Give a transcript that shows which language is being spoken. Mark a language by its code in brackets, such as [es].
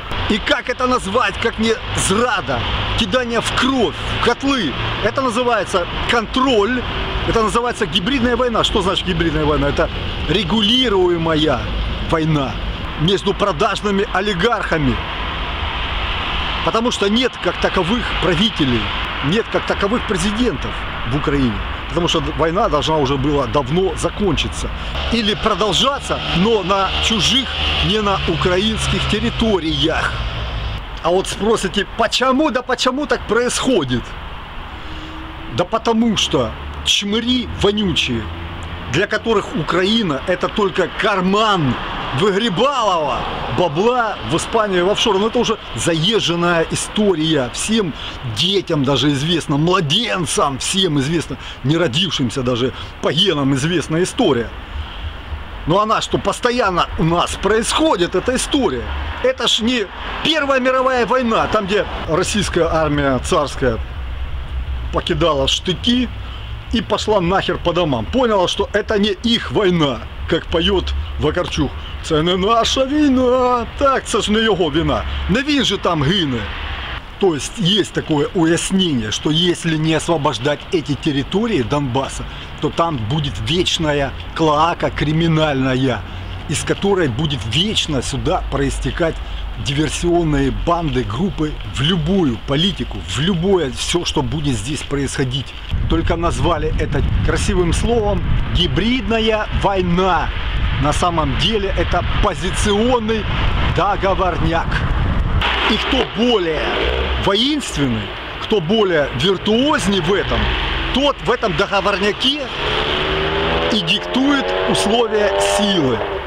[uk] І як це назвати, як не зрада, кидання в кров, в котли? Це називається контроль, це називається гібридна війна. Що значить гібридна війна? Це регулюємая війна між продажними олігархами. [ru] Потому что нет как таковых правителей, нет как таковых президентов в Украине. Потому что война должна уже была давно закончиться. Или продолжаться, но на чужих, не на украинских территориях. А вот спросите, почему, да почему так происходит? Да потому что чмыри вонючие, для которых Украина это только карман выгребалово бабла в Испанию, в офшор. Но это уже заезженная история. Всем детям даже известно, младенцам всем известно, не родившимся даже по генам известна история. Но она что, постоянно у нас происходит, эта история. Это ж не Первая мировая война, там где российская армия царская покидала штыки и пошла нахер по домам. Поняла, что это не их война, как поет Вакарчук. [uk] Це не наша війна, так, це ж не його війна. Не він же там гине. Тобто є таке уяснення, що якщо не освобождати ці території Донбаса, то там буде вічна клоака кримінальна, із якої буде вічно сюди проістікати диверсійні банди, групи в будь-яку політику, в будь-яке все, що буде тут відбуватись. Тільки назвали це красивим словом «гібридна війна». [ru] На самом деле это позиционный договорняк. И кто более воинственный, кто более виртуозный в этом, тот в этом договорняке и диктует условия силы.